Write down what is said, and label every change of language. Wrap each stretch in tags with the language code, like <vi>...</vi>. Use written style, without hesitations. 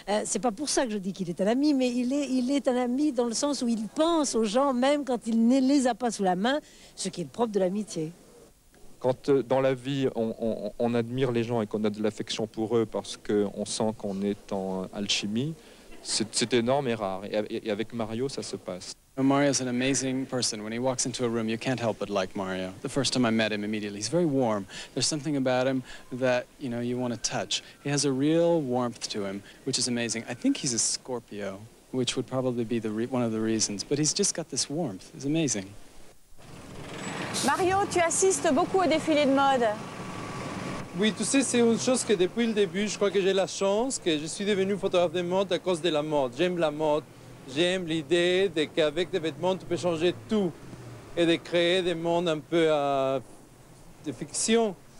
<fr>c'est pas pour ça que je dis qu'il est un ami, mais il est un ami dans le sens où il pense aux gens, même quand il ne les a pas sous la main, ce qui est le propre de l'amitié. Quand dans la vie on admire les gens et qu'on a de l'affection pour eux parce qu'on sent qu'on est en alchimie, c'est énorme et rare. Et avec Mario, ça se passe.</fr> <en>Mario is an amazing person. When he walks into a room, you can't help but like Mario. The first time I met him, immediately, he's very warm. There's something about him that, you know, you want to touch. He has a real warmth to him, which is amazing. I think he's a Scorpio, which would probably be one of the reasons. But he's just got this warmth. It's amazing.</en> <fr>Mario, tu assistes beaucoup aux défilés de mode. Oui, tu sais, c'est une chose que depuis le début, je crois que j'ai la chance, que je suis devenu photographe de mode à cause de la mode. J'aime la mode, j'aime l'idée de qu'avec des vêtements, tu peux changer tout et de créer des mondes un peu de fiction.</fr>